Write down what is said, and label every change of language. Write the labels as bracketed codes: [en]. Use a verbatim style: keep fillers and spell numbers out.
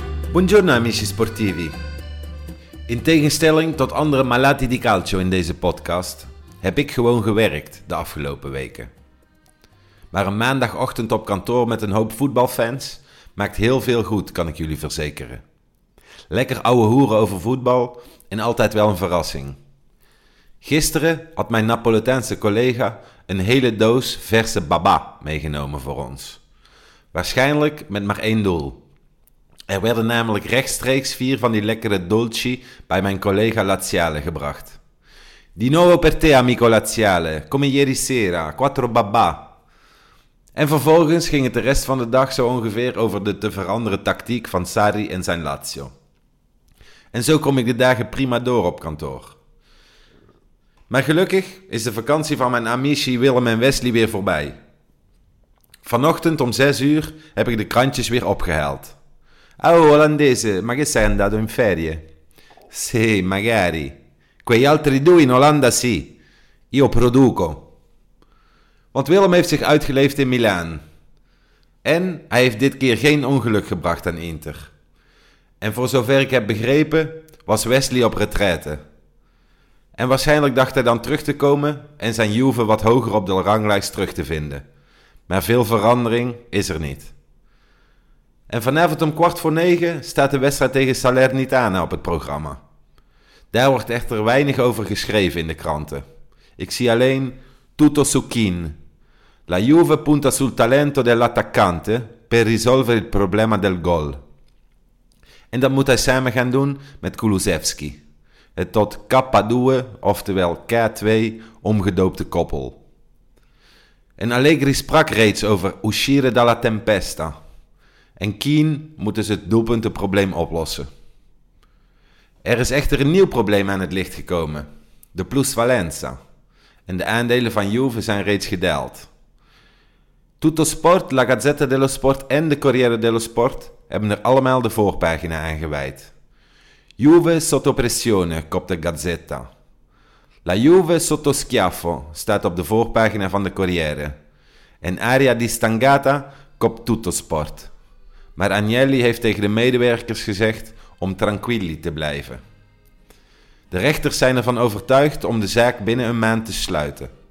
[it] Buongiorno amici sportivi. [nl] In tegenstelling tot andere [it] malati di calcio [nl] in deze podcast, heb ik gewoon gewerkt de afgelopen weken. Maar een maandagochtend op kantoor met een hoop voetbalfans maakt heel veel goed, kan ik jullie verzekeren. Lekker ouwe hoeren over voetbal en altijd wel een verrassing. Gisteren had mijn Napoletaanse collega een hele doos verse baba meegenomen voor ons. Waarschijnlijk met maar één doel. Er werden namelijk rechtstreeks vier van die lekkere dolci bij mijn collega Laziale gebracht. [it] Di nuovo per te, amico Laziale, come ieri sera, quattro babà. [nl] En vervolgens ging het de rest van de dag zo ongeveer over de te veranderen tactiek van Sarri en zijn Lazio. En zo kom ik de dagen prima door op kantoor. Maar gelukkig is de vakantie van mijn amici Willem en Wesley weer voorbij. Vanochtend om zes uur heb ik de krantjes weer opgehaald. [it] Oh, Olandese, ma che sei andato in ferie? Sì, magari. Quegli altri due in Olanda sì. Io produco. [nl] Want Willem heeft zich uitgeleefd in Milaan. En hij heeft dit keer geen ongeluk gebracht aan Inter. En voor zover ik heb begrepen, was Wesley op retraite. En waarschijnlijk dacht hij dan terug te komen en zijn Juve wat hoger op de ranglijst terug te vinden. Maar veel verandering is er niet. En vanavond om kwart voor negen staat de wedstrijd tegen Salernitana op het programma. Daar wordt echter weinig over geschreven in de kranten. Ik zie alleen [it] tutto su Kin. La Juve punta sul talento dell'attaccante per risolvere il problema del gol. [nl] En dat moet hij samen gaan doen met Kulusevski. Het tot K twee, oftewel K twee, omgedoopte koppel. En Allegri sprak reeds over [it] uscire dalla tempesta. [nl] En Keane moet dus het doelpuntenprobleem oplossen. Er is echter een nieuw probleem aan het licht gekomen. De plusvalenza. En de aandelen van Juve zijn reeds gedaald. Tuttosport, La Gazzetta dello Sport en de Corriere dello Sport hebben er allemaal de voorpagina aan gewijd. [it] Juve sotto pressione, [nl] kopt de Gazzetta. [it] La Juve sotto schiaffo [nl] staat op de voorpagina van de Corriere. En [it] Aria di Stangata [nl] kopt Tuttosport. Maar Agnelli heeft tegen de medewerkers gezegd om [it] tranquilli [nl] te blijven. De rechters zijn ervan overtuigd om de zaak binnen een maand te sluiten.